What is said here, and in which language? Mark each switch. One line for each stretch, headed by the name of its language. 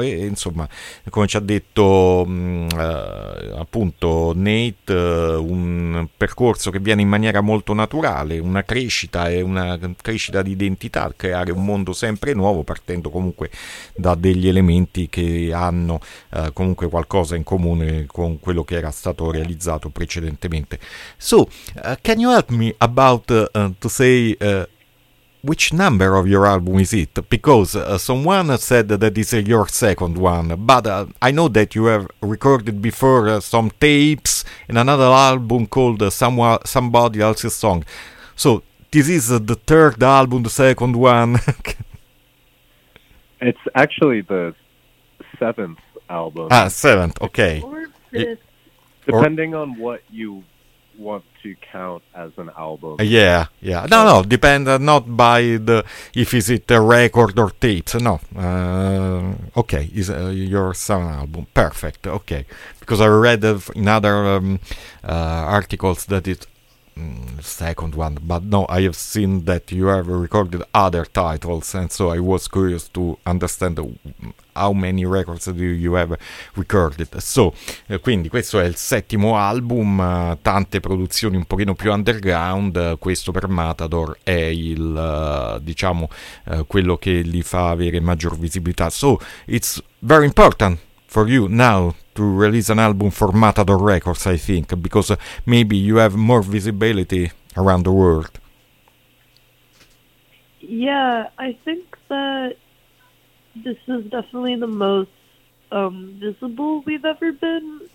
Italian: E insomma, come ci ha detto appunto Nate, un percorso che viene in maniera molto naturale, una crescita e una crescita di identità, creare un mondo sempre nuovo partendo comunque da degli elementi che hanno comunque qualcosa in comune con quello che era stato realizzato precedentemente.
English: So, can you help me about to say which number of your album is it? Because someone said that it's your second one, but I know that you have recorded before some tapes in another album called Somebody Else's Song. So this is the third album, the second one. It's actually the seventh album. Ah, seventh, okay. Depending on what you want to count as an album. Yeah, yeah. No, depend not by the if is it a record or tape. No. Okay, is your seventh album. Perfect. Okay. Because I read in other articles that it's second one, but no, I have seen that you have recorded other titles, and so I was curious to understand how many records do you have recorded.
Italian: So, quindi questo è il settimo album, tante produzioni un pochino più underground. Questo per Matador è il diciamo quello che li fa avere maggior visibilità.
English: So it's very important for you now to release an album for Matador Records, I think, because maybe you have more visibility around the world. Yeah, I think that this is definitely the most visible we've ever been.